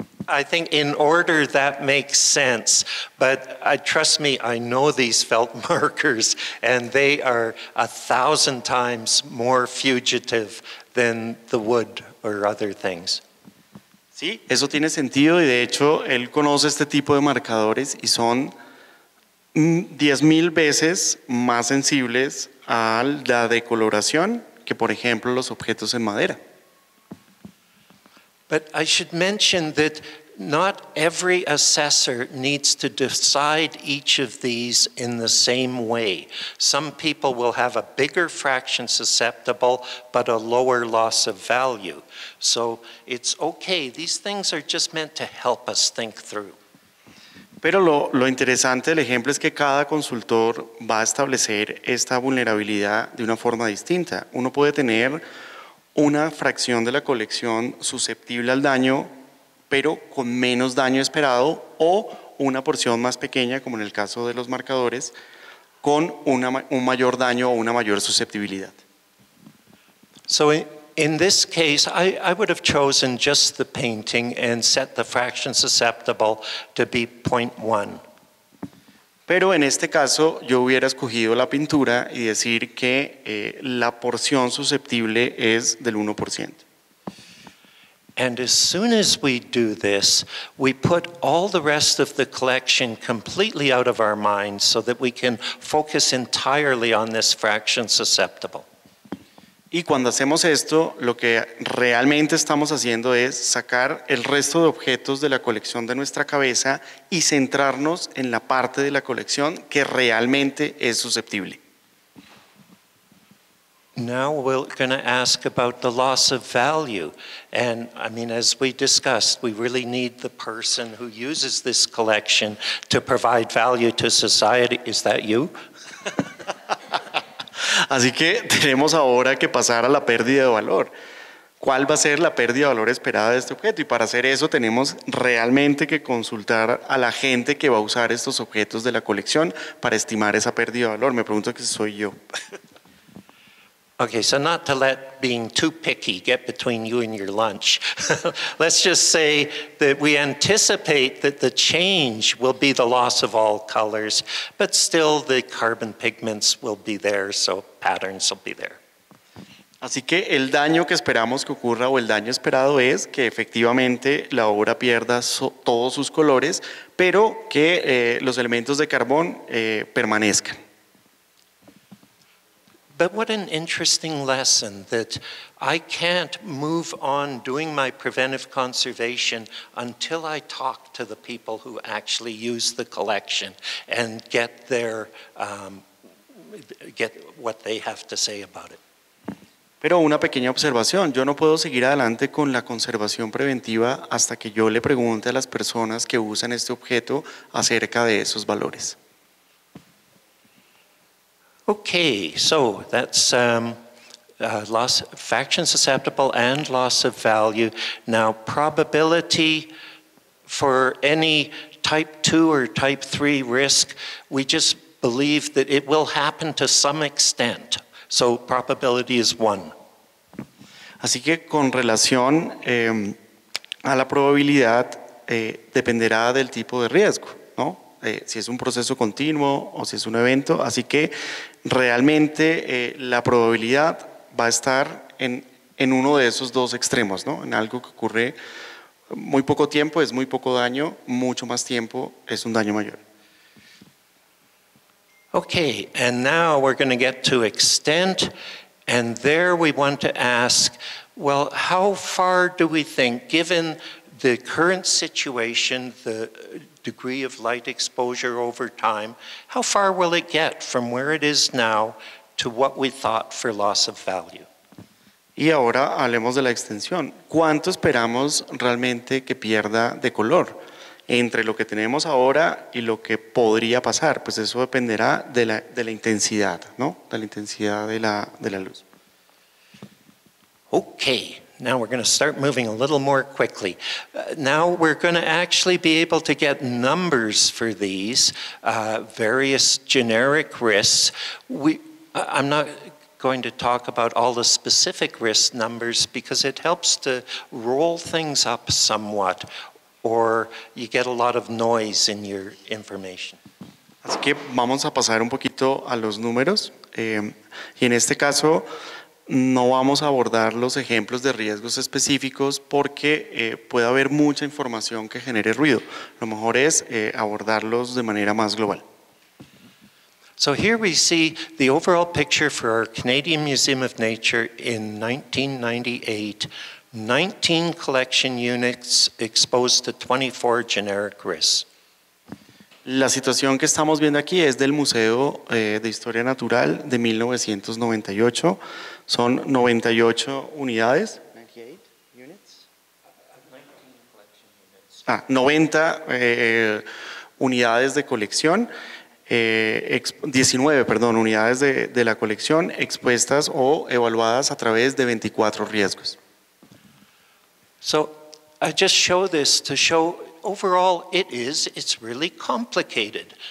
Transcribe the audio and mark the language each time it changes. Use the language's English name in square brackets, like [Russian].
[English] I think in order that makes sense, but trust me, I know these felt markers, and they are 1,000 times more fugitive than the wood or other things. [Spanish] Sí, eso tiene sentido, y de hecho, él conoce este tipo de marcadores, y son 10,000 veces más sensibles a la decoloración que, por ejemplo, los objetos en madera. [English] But I should mention that not every assessor needs to decide each of these in the same way. Some people will have a bigger fraction susceptible, but a lower loss of value. So it's okay. These things are just meant to help us think through. [Spanish] Pero lo interesante del ejemplo es que cada consultor va a establecer esta vulnerabilidad de una forma distinta. Uno puede tener una fracción de la colección susceptible al daño, pero con menos daño esperado, o una porción más pequeña, como en el caso de los marcadores, con un mayor daño o una mayor susceptibilidad. [English] So in this case, I would have chosen just the painting and set the fraction susceptible to be 0.1. [Spanish] Pero en este caso, yo hubiera escogido la pintura y decir que la porción susceptible es del 1%. [English] And as soon as we do this, we put all the rest of the collection completely out of our minds so that we can focus entirely on this fraction susceptible. [Spanish] Y cuando hacemos esto, lo que realmente estamos haciendo es sacar el resto de objetos de la colección de nuestra cabeza y centrarnos en la parte de la colección que realmente es susceptible. [English] Now we're going to ask about the loss of value. And I mean, as we discussed, we really need the person who uses this collection to provide value to society. Is that you? [Spanish] Así que tenemos ahora que pasar a la pérdida de valor. ¿Cuál va a ser la pérdida de valor esperada de este objeto? Y para hacer eso tenemos realmente que consultar a la gente que va a usar estos objetos de la colección para estimar esa pérdida de valor. Me pregunto que soy yo. [English] Okay, so not to let being too picky get between you and your lunch. Let's just say that we anticipate that the change will be the loss of all colors, but still the carbon pigments will be there, so patterns will be there. [Spanish] Así que el daño que esperamos que ocurra, o el daño esperado, es que efectivamente la obra pierda todos sus colores, pero que los elementos de carbón permanezcan. [English] But what an interesting lesson that I can't move on doing my preventive conservation until I talk to the people who actually use the collection and get their get what they have to say about it. [Spanish] Pero una pequeña observación, yo no puedo seguir adelante con la conservación preventiva hasta que yo le pregunte a las personas que usan este objeto acerca de esos valores. [English] Okay, so that's loss, fraction susceptible and loss of value. Now, probability for any type 2 or type 3 risk, we just believe that it will happen to some extent. So probability is 1. [Spanish] Así que con relación a la probabilidad, dependerá del tipo de riesgo, ¿no? Si es un proceso continuo o si es un evento, así que realmente la probabilidad va a estar en uno de esos dos extremos, ¿no? En algo que ocurre Muy poco tiempo es muy poco daño, mucho más tiempo es un daño mayor. [English] Okay, and now we're going to get to extent, and there we want to ask, well, how far do we think, given the current situation, the degree of light exposure over time, how far will it get from where it is now to what we thought for loss of value? [Spanish] Y ahora hablemos de la extensión. ¿Cuánto esperamos realmente que pierda de color entre lo que tenemos ahora y lo que podría pasar? Pues eso dependerá de la intensidad, ¿no? De la intensidad de la luz. [English] Okay. Now we're going to start moving a little more quickly. Now we're going to actually be able to get numbers for these various generic risks. I'm not going to talk about all the specific risk numbers because it helps to roll things up somewhat, or you get a lot of noise in your information. [Spanish] Así que vamos a pasar un poquito a los números. Y en este caso, no vamos a abordar los ejemplos de riesgos específicos porque puede haber mucha información que genere ruido. Lo mejor es abordarlos de manera más global. [English] So here we see the overall picture for our Canadian Museum of Nature in 1998. 19 collection units exposed to 24 generic risks. [Spanish] La situación que estamos viendo aquí es del Museo de Historia Natural de 1998. Son 98 unidades. [English] 98 units. 19 collection units. [Spanish] 90 unidades de colección. 19, perdón, unidades de la colección expuestas o evaluadas a través de 24 riesgos. [English] So, I just show this to show overall it's really complicated.